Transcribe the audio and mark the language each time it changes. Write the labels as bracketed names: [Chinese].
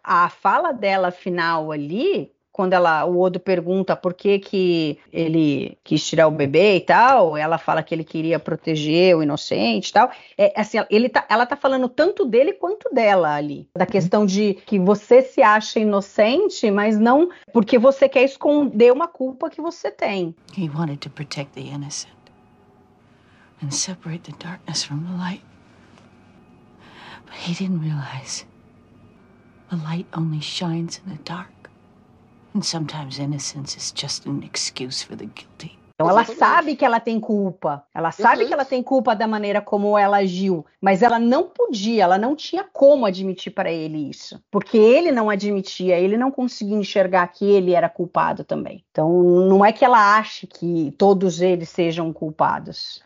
[Portuguese] A fala dela final ali, quando o Odo pergunta por que que ele quis tirar o bebê e tal, ela fala que ele queria proteger o inocente e tal. É, assim, ela tá falando tanto dele quanto dela ali. Da questão de que você se acha inocente, mas não porque você quer esconder uma culpa que você tem. [English] He wanted to protect the innocent and separate the darkness from the light. But he didn't realize the light only shines in the dark. And sometimes innocence is just an excuse for the guilty. [Portuguese] Então, ela sabe que ela tem culpa. Ela sabe que ela tem culpa da maneira como ela agiu. Mas ela não podia, ela não tinha como admitir para ele isso. Porque ele não admitia, ele não conseguia enxergar que ele era culpado também. Então, não é que ela ache que todos eles sejam culpados.